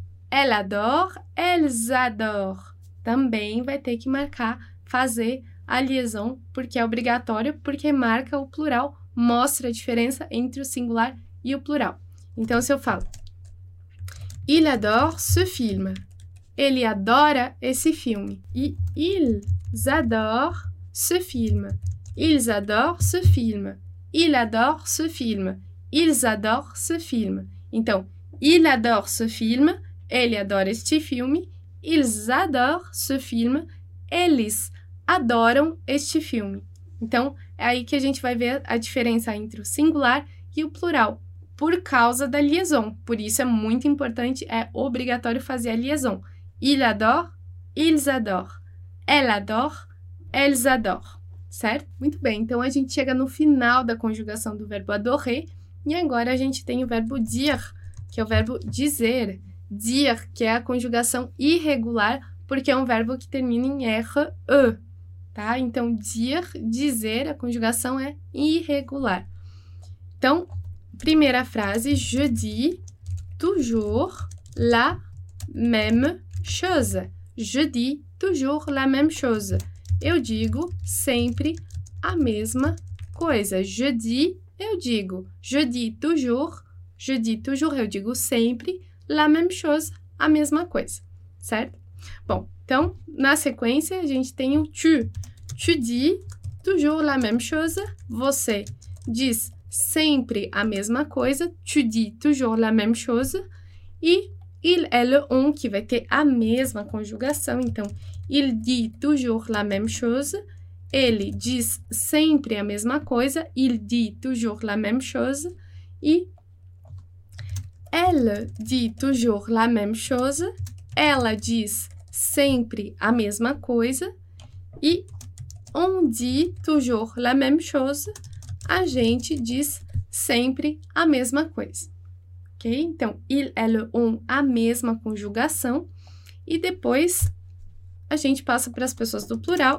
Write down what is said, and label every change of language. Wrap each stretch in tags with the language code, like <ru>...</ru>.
<fr>Elle adore, elles adorent.</fr> <pt>Também vai ter que marcar, fazer a liaison, porque é obrigatório, porque marca o plural, mostra a diferença entre o singular e o plural. Então, se eu falo,</pt> <fr>il adore ce film.</fr> <pt>Ele adora esse filme. E</pt> <fr>ils adorent ce film. Ils adorent ce film. Il adore ce film. Ils adorent ce film. Então, il adore ce film.</fr> <pt>Ele adora este filme.</pt> <fr>Ils adorent ce film.</fr> <pt>Eles adoram este filme. Então, é aí que a gente vai ver a diferença entre o singular e o plural, por causa da liaison. Por isso é muito importante, é obrigatório fazer a liaison.</pt> <fr>Il adore, ils adorent. Elle adore, elles adorent.</fr> <pt>Certo? Muito bem. Então a gente chega no final da conjugação do verbo adorer e agora a gente tem o verbo dire, que é o verbo dizer. Dire, que é a conjugação irregular, porque é um verbo que termina em R-E, tá? Então dire, dizer, a conjugação é irregular. Então, primeira frase,</pt> <fr>je dis toujours la même chose. Je dis toujours la même chose.</fr> <pt>Eu digo sempre a mesma coisa.</pt> <fr>Je dis,</fr> <pt>eu digo.</pt> <fr>Je dis toujours,</fr> <pt>eu digo sempre.</pt> <fr>La même chose,</fr> <pt>a mesma coisa, certo? Bom, então, na sequência, a gente tem o tu.</pt> <fr>Tu dis toujours la même chose.</fr> <pt>Você diz sempre a mesma coisa.</pt> <fr>Tu dis toujours la même chose.</fr> <pt>E il, elle, on, que vai ter a mesma conjugação.</pt> <fr>Então, il dit toujours la même chose.</fr> <pt>Ele diz sempre a mesma coisa.</pt> <fr>Il dit toujours la même chose. E elle dit toujours la même chose.</fr> <pt>Ela diz sempre a mesma coisa.</pt> <fr>E on dit toujours la même chose.</fr> <pt>A gente diz sempre a mesma coisa. Okay? Então, il, elle, on, a mesma conjugação. E depois a gente passa para as pessoas do plural.</pt>